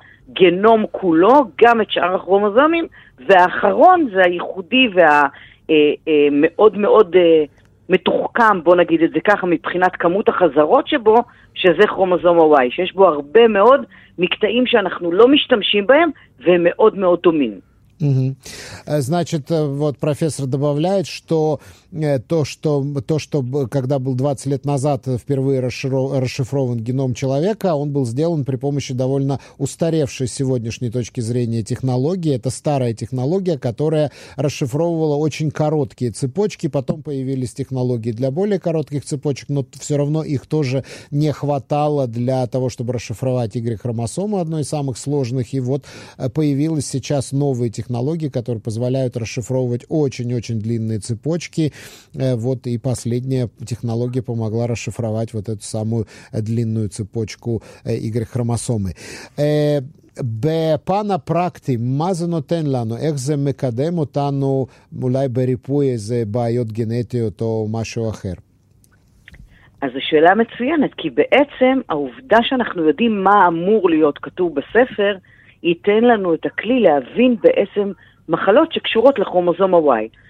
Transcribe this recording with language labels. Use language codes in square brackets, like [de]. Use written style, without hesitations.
[he] הגנום כולו, גם את שאר הכרומוזומים, והאחרון זה הייחודי והמאוד מאוד מתוחכם, בוא נגיד את זה ככה, מבחינת כמות החזרות שבו, שזה כרומוזום ה-Y, שיש בו הרבה מאוד מקטעים שאנחנו לא משתמשים בהם, והם מאוד מאוד דומים. Угу. [ru] Значит, вот профессор добавляет, что то, что когда был 20 лет назад впервые расшифрован геном человека, он был сделан при помощи довольно устаревшей с сегодняшней точки зрения технологии. Это старая технология, которая расшифровывала очень короткие цепочки. Потом появились технологии для более коротких цепочек, но все равно их тоже не хватало для того, чтобы расшифровать Y-хромосомы, одной из самых сложных. И вот появилась сейчас новая технологии, которые позволяют расшифровывать очень-очень длинные цепочки. Вот и последняя технология помогла расшифровать вот эту самую длинную цепочку Y-хромосомы. [he] בפן הפרקטי, מה זה נותן לנו? איך זה מקדם אותנו אולי בריפוי איזה בעיות גנטיות או משהו אחר? אז השאלה מצוינת, כי בעצם העובדה שאנחנו יודעים מה אמור להיות כתוב בספר, ייתן לנו את הכלי להבין בעצם מחלות שקשורות לכרומוזום ה-Y.